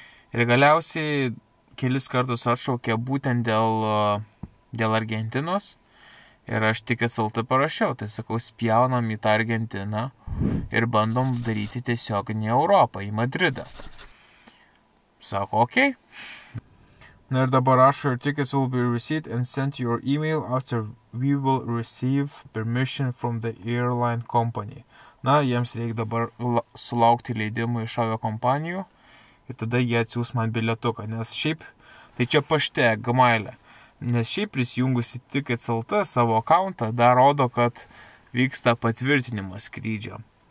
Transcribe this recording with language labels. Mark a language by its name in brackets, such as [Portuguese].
[Lithuanian] Ir galiausiai kelis kartus atšaukė būtent dėl Argentinos ir aš tik atsaltai parašiau, tai sakau, spjaunam į tą Argentiną ir bandom daryti tiesiog į Europą, į Madridą. Sako, okay. Na ir dabar rašo, [English] your tickets will be received and sent to your email after we will receive permission from the airline company. [Lithuanian] Na, jiems reikia dabar sulaukti leidimų iš avio kompanijų ir tada jie atsiūs man bilietuką, nes šiaip, tai čia pašte, gmailė, nes šiaip prisijungusi tickets LT savo akauntą dar rodo, kad vyksta patvirtinimas skrydžio.